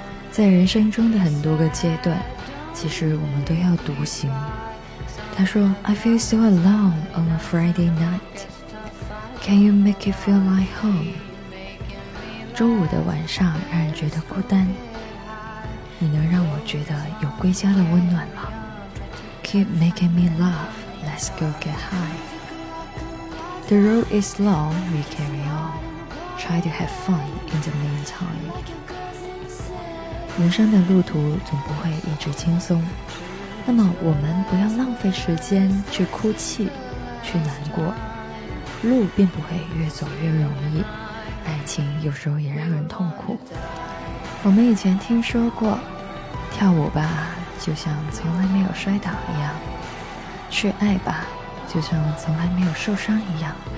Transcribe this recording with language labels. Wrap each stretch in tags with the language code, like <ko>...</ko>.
<zh>在人生中的很多个阶段，其实我们都要独行。他说</zh> <en>I feel so alone on a Friday night， Can you make it feel like home？</en> <zh>周五的晚上让人觉得孤单，你能让我觉得有归家的温暖吗？</zh> <en>Keep making me laugh， Let's go get high， The road is long， We carry on， Try to have fun in the meantime。</en> <zh>人生的路途总不会一直轻松，那么我们不要浪费时间去哭泣去难过，路并不会越走越容易，爱情有时候也让人痛苦。我们以前听说过，跳舞吧就像从来没有摔倒一样，去爱吧就像从来没有受伤一样。</zh>